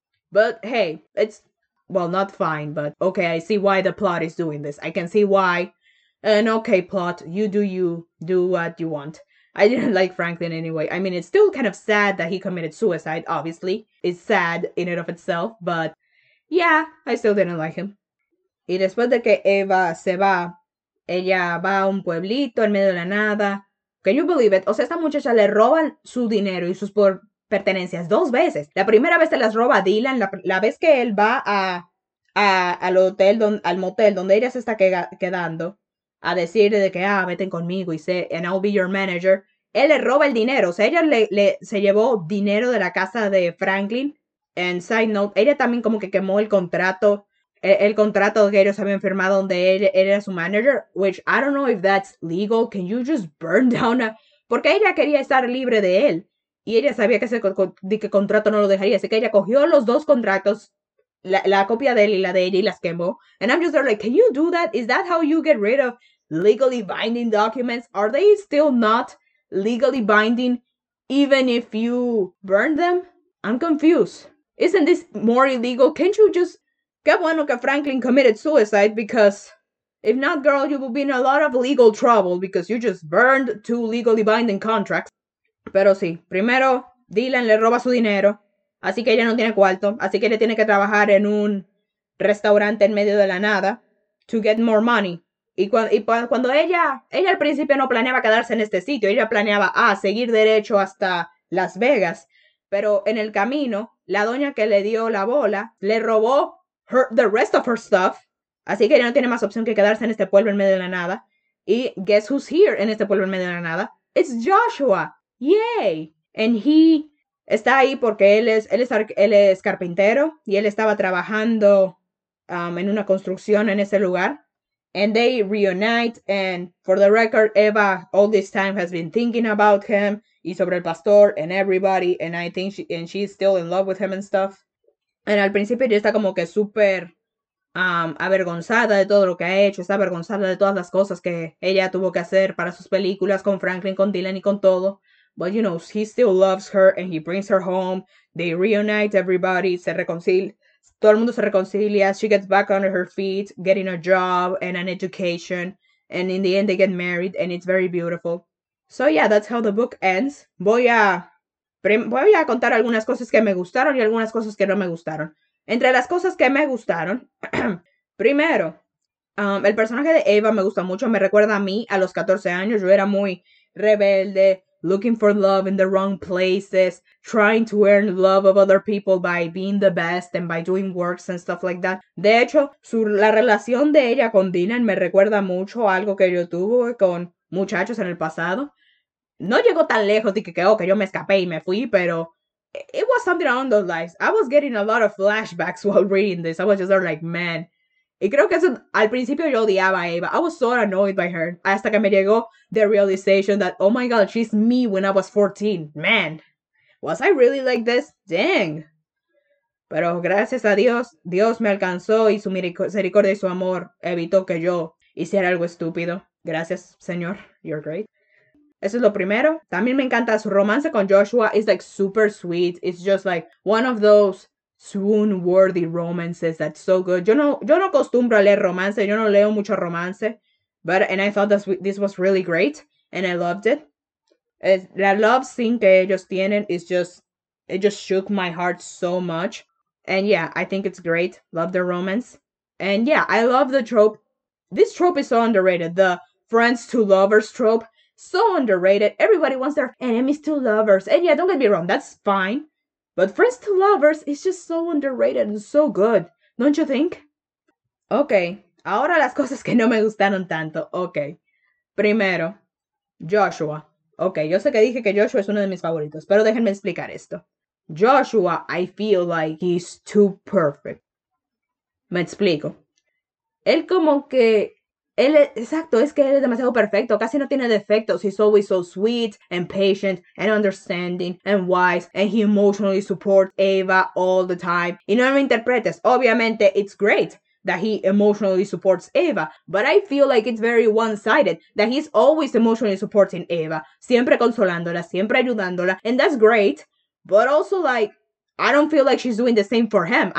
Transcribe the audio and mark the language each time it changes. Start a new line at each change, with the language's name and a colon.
English: But hey, it's... Well, not fine, but okay, I see why the plot is doing this. I can see why. And okay, plot, you do you. Do what you want. I didn't like Franklin anyway. I mean, it's still kind of sad that he committed suicide, obviously. It's sad in and of itself, but yeah, I still didn't like him.
Spanish: Y después de que Eva se va, ella va a un pueblito en medio de la nada.
English: Can you believe it?
Spanish: O sea, esta muchacha le roban su dinero y sus pertenencias dos veces. La primera vez se las roba a Dylan, la vez que él va al motel donde ella se está quedando. A decirle de que, vete conmigo y sé,
English: and I'll be your manager.
Spanish: Él le roba el dinero. O sea, ella se llevó dinero de la casa de Franklin.
English: And side note,
Spanish: ella también como que quemó el contrato. El contrato que ellos habían firmado donde él era su manager.
English: Which, I don't know if that's legal. Can you just burn down a...
Spanish: Porque ella quería estar libre de él. Y ella sabía que ese contrato no lo dejaría. Así que ella cogió los dos contratos. La copia de él y la de ella y las quemó.
English: And I'm just there like, can you do that? Is that how you get rid of legally binding documents? Are they still not legally binding even if you burn them? I'm confused. Isn't this more illegal? Can't you just...
Spanish: Qué bueno que
English: Franklin committed suicide, because if not, girl, you will be in a lot of legal trouble because you just burned two legally binding contracts.
Spanish: Pero sí, primero, Dylan le roba su dinero. Así que ella no tiene cuarto. Así que ella tiene que trabajar en un restaurante en medio de la nada
English: to get more money.
Spanish: Y cuando ella al principio no planeaba quedarse en este sitio. Ella planeaba seguir derecho hasta Las Vegas. Pero en el camino, la doña que le dio la bola le robó
English: the rest of her stuff.
Spanish: Así que ella no tiene más opción que quedarse en este pueblo en medio de la nada. Y
English: guess who's here
Spanish: en este pueblo en medio de la nada?
English: It's Joshua. Yay. And he...
Spanish: Está ahí porque él es carpintero y él estaba trabajando en una construcción en ese lugar.
English: And they reunite, and for the record, Eva all this time has been thinking about him
Spanish: y sobre el pastor
English: and everybody, and I think she's still in love with him and stuff.
Spanish: And al principio ella está como que súper avergonzada de todo lo que ha hecho, está avergonzada de todas las cosas que ella tuvo que hacer para sus películas con Franklin, con Dylan y con todo.
English: But you know, he still loves her and he brings her home. They reunite everybody,
Spanish: se reconcilia. Todo el mundo se reconcilia.
English: She gets back on her feet, getting a job and an education. And in the end, they get married and it's very beautiful. So yeah, that's how the book ends.
Spanish: Voy a contar algunas cosas que me gustaron y algunas cosas que no me gustaron. Entre las cosas que me gustaron, primero, el personaje de Eva me gusta mucho. Me recuerda a mí a los 14 años. Yo era muy rebelde.
English: Looking for love in the wrong places, trying to earn love of other people by being the best and by doing works and stuff like that.
Spanish: De hecho, la relación de ella con Dylan me recuerda mucho a algo que yo tuve con muchachos en el pasado. No llegó tan lejos de que yo me escapé y me fui, pero
English: it was something along those lines. I was getting a lot of flashbacks while reading this. I was just like, man.
Spanish: Y creo que eso, al principio yo odiaba a Eva.
English: I was so annoyed by her.
Spanish: Hasta que me llegó
English: the realization that, oh my god, she's me when I was 14. Man, was I really like this? Dang.
Spanish: Pero gracias a Dios, Dios me alcanzó y su misericordia y su amor evitó que yo hiciera algo estúpido. Gracias, Señor.
English: You're great.
Spanish: Eso es lo primero. También me encanta su romance con Joshua.
English: It's like super sweet. It's just like one of those swoon-worthy romances, that's so good.
Spanish: Yo no acostumbro a leer romance, yo no leo mucho romance,
English: but and I thought this was really great, and I loved it.
Spanish: La
English: love scene
Spanish: que ellos tienen
English: is just, it just shook my heart so much. And yeah, I think it's great. Love the romance. And yeah, I love the trope. This trope is so underrated, the friends to lovers trope. So underrated. Everybody wants their enemies to lovers. And yeah, don't get me wrong, that's fine. But friends to lovers is just so underrated and so good, don't you think?
Spanish: Ok, ahora las cosas que no me gustaron tanto. Ok, primero, Joshua. Ok, yo sé que dije que Joshua es uno de mis favoritos, pero déjenme explicar esto.
English: Joshua, I feel like he's too perfect.
Spanish: Me explico. Él como que, él, exacto, es que él es demasiado perfecto, casi no tiene defectos.
English: He's always so sweet and patient and understanding and wise and he emotionally supports Eva all the time.
Spanish: Y no me interpretes, obviamente
English: it's great that he emotionally supports Eva, but I feel like it's very one-sided that he's always emotionally supporting Eva,
Spanish: siempre consolándola, siempre ayudándola,
English: and that's great, but also like I don't feel like she's doing the same for him.